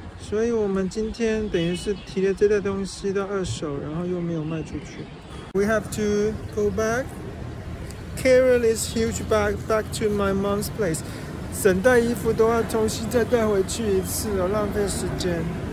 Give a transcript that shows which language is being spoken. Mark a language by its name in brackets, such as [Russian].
[Chinese] 所以我们今天等于是提了这袋东西到二手，然后又没有卖出去。 [English] We have to go back. Carry this huge bag back to my mom's place. [Chinese] 整袋衣服都要重新再带回去一次了，浪费时间。